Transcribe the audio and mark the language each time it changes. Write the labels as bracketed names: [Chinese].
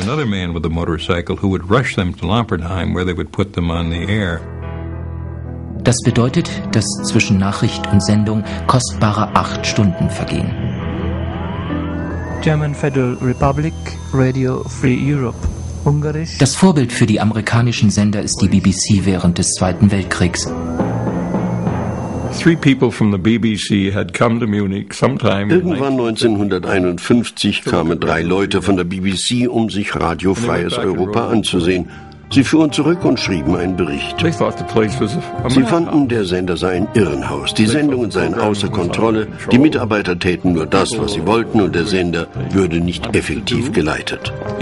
[German] Das bedeutet, dass zwischen Nachricht und Sendung kostbare 8 Stunden vergehen. [English] German Federal Republic, Radio Free Europe. Ungarisch. [German] Das Vorbild für die amerikanischen Sender ist die BBC während des Zweiten Weltkriegs. [English] 3 people from the BBC had come to Munich sometime. [German] Irgendwann 1951 kamen 3 Leute von der BBC, um sich radiofreies Europa anzusehen. Sie fuhren zurück und schrieben einen Bericht. Sie fanden, der Sender sei ein Irrenhaus. Die Sendungen seien außer Kontrolle. Die Mitarbeiter täten nur das, was sie wollten, und der Sender würde nicht effektiv geleitet.